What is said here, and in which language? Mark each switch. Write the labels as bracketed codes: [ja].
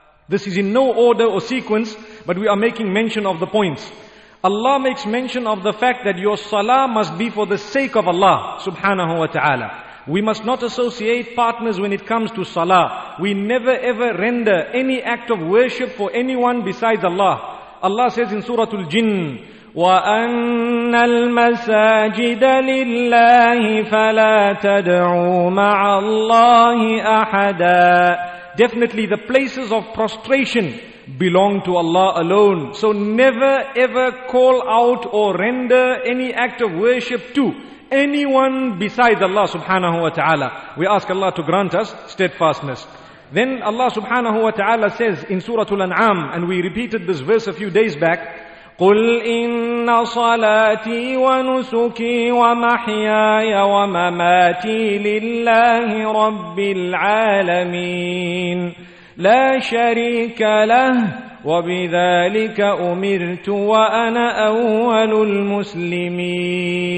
[en] This is in no order or sequence, but we are making mention of the points. Allah makes mention of the fact that your salah must be for the sake of Allah subhanahu wa ta'ala. We must not associate partners when it comes to salah. We never ever render any act of worship for anyone besides Allah. Allah says in Surah Al-Jinn, [ar] وَأَنَّ الْمَسَاجِدَ لِلَّهِ فَلَا تَدْعُوا مَعَ اللَّهِ أَحَدًا. [en] Definitely the places of prostration belong to Allah alone. So never ever call out or render any act of worship to anyone besides Allah subhanahu wa ta'ala. We ask Allah to grant us steadfastness. Then Allah subhanahu wa ta'ala says in Surah Al-An'am, and we repeated this verse a few days back, [ar] قُلْ إِنَّ صَلَاتِي وَنُسُكِي وَمَحْيَايَ وَمَمَاتِي لِلَّهِ رَبِّ الْعَالَمِينَ لا شريك له وبذلك أمرت وأنا أول المسلمين.